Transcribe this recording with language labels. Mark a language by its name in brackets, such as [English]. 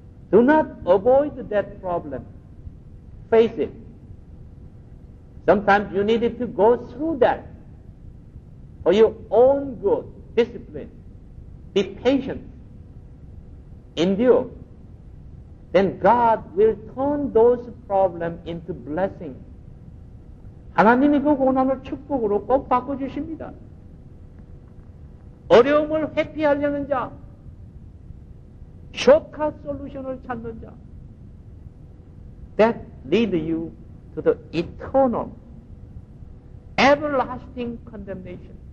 [English] Do not avoid that problem. Face it. Sometimes you need to go through that For your own good, discipline, be patient, endure. Then God will turn those problems into blessings. [Korean] 하나님이 그 고난을 축복으로 꼭 바꿔주십니다. 어려움을 회피하려는 자, 쇼카 솔루션을 찾는 자, [English] that lead you to the eternal, everlasting condemnation.